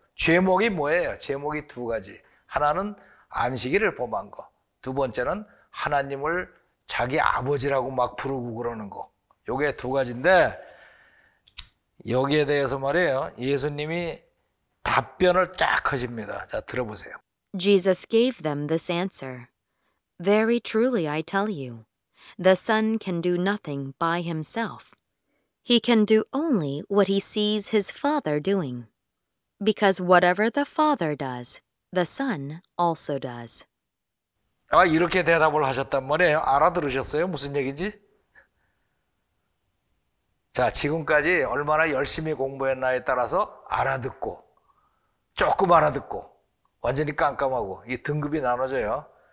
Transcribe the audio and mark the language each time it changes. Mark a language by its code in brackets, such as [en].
[ko] 제목이 뭐예요? 제목이 두 가지. 하나는 안식일을 범한 거. 두 번째는 하나님을 자기 아버지라고 막 부르고 그러는 거. 요게 두 가지인데 여기에 대해서 말이에요. 예수님이 답변을 쫙 하십니다. 자, 들어보세요. [en] Jesus gave them this answer. Very truly I tell you, the Son can do nothing by himself. He can do only what he sees his Father doing. Because whatever the Father does, the Son also does. [ko] 아, 이렇게 대답을 하셨단 말이에요. 알아들으셨어요? 무슨 얘기인지? 자, 지금까지 얼마나 열심히 공부했나에 따라서 알아듣고, 조금 알아듣고, 완전히 깜깜하고, 이 등급이 나눠져요.